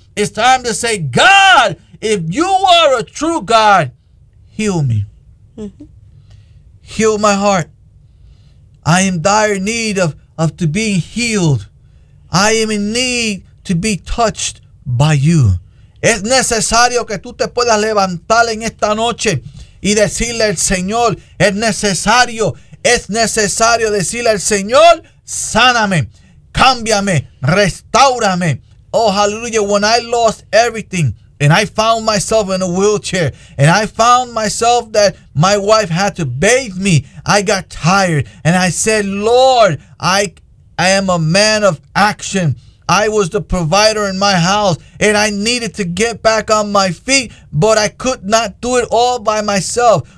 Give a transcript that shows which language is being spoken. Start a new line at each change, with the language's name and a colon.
English: It's time to say, God, if you are a true God, heal me. Heal my heart. I am in dire need of to being healed. I am in need to be touched by you.
Spanish: Es necesario que tú te puedas levantar en esta noche y decirle al Señor, es necesario decirle al Señor, sáname, cámbiame, restáurame.
English: Oh, hallelujah, when I lost everything and I found myself in a wheelchair and I found myself that my wife had to bathe me, I got tired and I said, Lord, I am a man of action. I was the provider in my house, and I needed to get back on my feet, but I could not do it all by myself.